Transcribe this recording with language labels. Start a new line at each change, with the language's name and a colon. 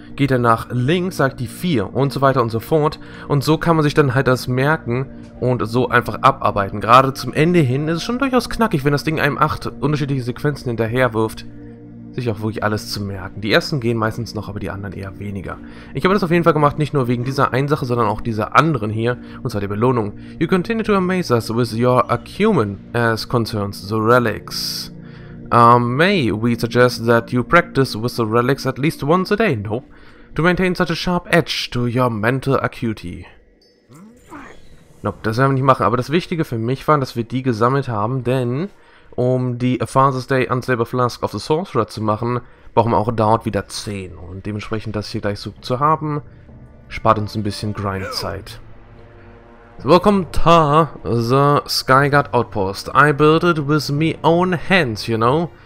German: Geht er nach links, sagt die 4 und so weiter und so fort. Und so kann man sich dann halt das merken und so einfach abarbeiten. Gerade zum Ende hin ist es schon durchaus knackig, wenn das Ding einem 8 unterschiedliche Sequenzen hinterherwirft, sich auch wirklich alles zu merken. Die ersten gehen meistens noch, aber die anderen eher weniger. Ich habe das auf jeden Fall gemacht, nicht nur wegen dieser einen Sache, sondern auch dieser anderen hier, und zwar der Belohnung.
English: You continue to amaze us with your acumen as concerns the relics. May we suggest that you practice with the relics at least once a day? No. To maintain such a sharp edge to your mental acuity.
German: Nope, das werden wir nicht machen. Aber das Wichtige für mich war, dass wir die gesammelt haben, denn um die Phasis Day Unstable Flask of the Sorcerer zu machen, brauchen wir auch dort wieder 10. Und dementsprechend das hier gleich so zu haben, spart uns ein bisschen Grindzeit.
English: So, welcome to the Skyguard Outpost. I built it with my own hands, you know?